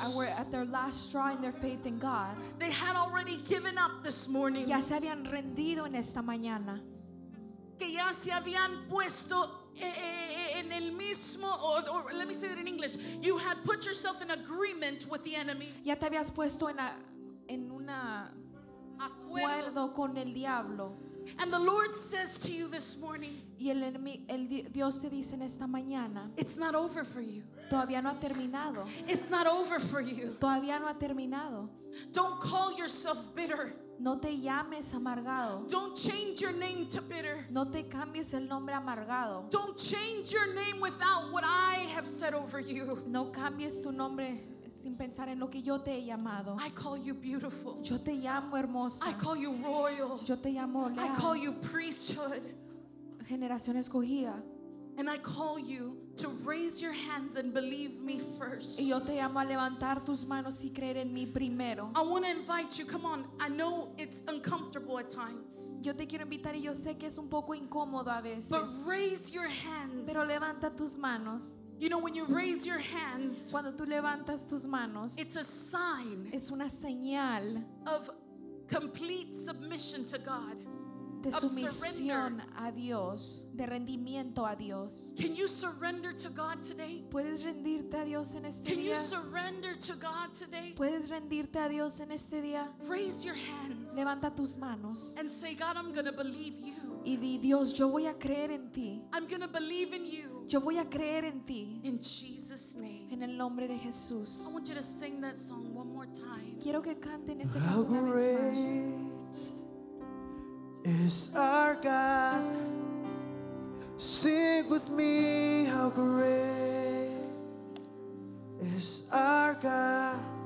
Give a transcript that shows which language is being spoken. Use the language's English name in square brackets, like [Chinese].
[English] That were at their last straw in their faith in God. They had already given up this morning. [Spanish] Ya se habían rendido en esta mañana. Que ya se habían puesto en el mismo, [English] or let me say that in English. You had put yourself in agreement with the enemy. [Spanish] Ya te habías puesto en un acuerdo con el diablo. [English] And the Lord says to you this morning, [Spanish] y el Dios te dice en esta mañana, [English] it's not over for you. [Spanish] Todavía no ha terminado. [English] It's not over for you. [Spanish] Todavía no ha terminado. [English] Don't call yourself bitter. [Spanish] No te llames amargado. [English] Don't change your name to bitter. [Spanish] No te cambies el nombre amargado. [English] Don't change your name without what I have said over you. [Spanish] No cambies tu nombre sin pensar en lo que yo te he llamado. [English] I call you beautiful. [Spanish] Yo te llamo hermosa. [English] I call you royal. [Spanish] Yo te llamo leal. [English] I call you priesthood. [Spanish] Generación escogida. [English] And I call you to raise your hands and believe me first. [Spanish] Y yo te llamo a levantar tus manos y creer en mí primero. [English] I want to invite you. Come on. I know it's uncomfortable at times. [Spanish] Yo te quiero invitar y yo sé que es un poco incómodo a veces. [English] But raise your hands. [Spanish] Pero levanta tus manos. [English] You know, when you raise your hands, [Spanish] cuando tú levantas tus manos, [English] it's a sign, [Spanish] es una señal [English] of complete submission to God, [Spanish] de sumisión a Dios, de rendimiento a Dios. [English] Can you surrender to God today? [Spanish] ¿Puedes rendirte a Dios en este [English] Can [Spanish] día? [English] You surrender to God today? [Spanish] ¿Puedes rendirte a Dios en este día? [English] Raise your hands. [Spanish] Levanta tus manos. [English] And say, God, I'm going to believe you. [Spanish] Y di, Dios, yo voy a creer en ti. [English] I'm going to believe in you. [Spanish] Yo voy a creer en ti. [English] In Jesus' name. [Spanish] En el nombre de Jesús. [English] I want you to sing that song one more time. [Spanish] Quiero que canten ese canto una vez más. [English] Is our God. Sing with me, how great is our God.